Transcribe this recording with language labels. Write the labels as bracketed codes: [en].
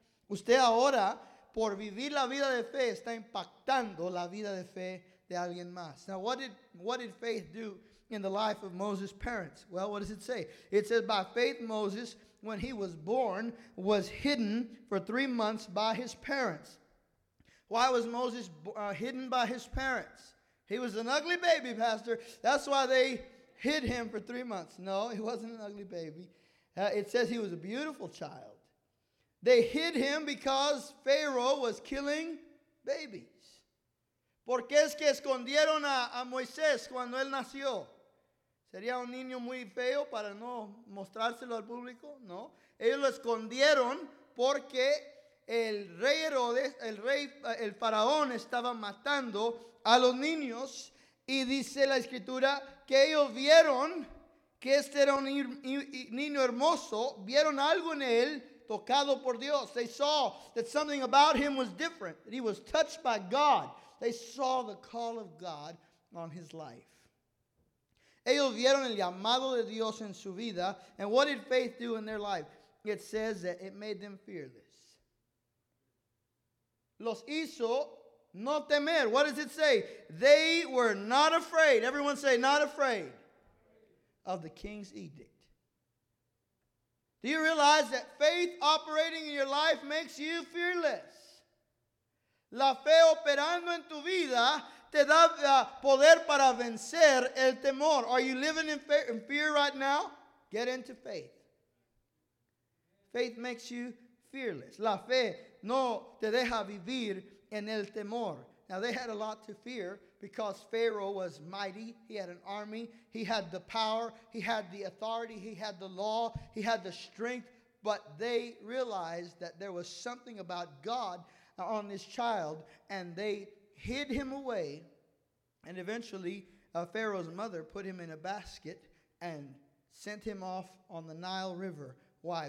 [es] Usted ahora, por vivir la vida de fe, está impactando la vida de fe de alguien más. [en] Now, what did faith do in the life of Moses' parents? Well, what does it say? It says, by faith Moses, when he was born, was hidden for 3 months by his parents. Why was Moses hidden by his parents? He was an ugly baby, Pastor. That's why they hid him for 3 months. No, he wasn't an ugly baby. It says he was a beautiful child. They hid him because Pharaoh was killing babies. [es] ¿Por qué es que escondieron a Moisés cuando él nació? ¿Sería un niño muy feo para no mostrárselo al público? No. Ellos lo escondieron porque el rey Herodes, el faraón estaba matando a los niños. Y dice la escritura que ellos vieron que este era un niño hermoso. Vieron algo en él tocado por Dios. [en] They saw that something about him was different. That he was touched by God. They saw the call of God on his life. [es] Ellos vieron el llamado de Dios en su vida. [en] And what did faith do in their life? It says that it made them fearless. [es] Los hizo no temer. [en] What does it say? They were not afraid. Everyone say, not afraid of the king's edict. Do you realize that faith operating in your life makes you fearless? [es] La fe operando en tu vida te da poder para vencer el temor. [en] Are you living in fear right now? Get into faith. Faith makes you fearless. [es] La fe no te deja vivir en el temor. [en] Now, they had a lot to fear because Pharaoh was mighty. He had an army. He had the power. He had the authority. He had the law. He had the strength. But they realized that there was something about God on this child, and they hid him away, and eventually Pharaoh's mother put him in a basket and sent him off on the Nile River. Why?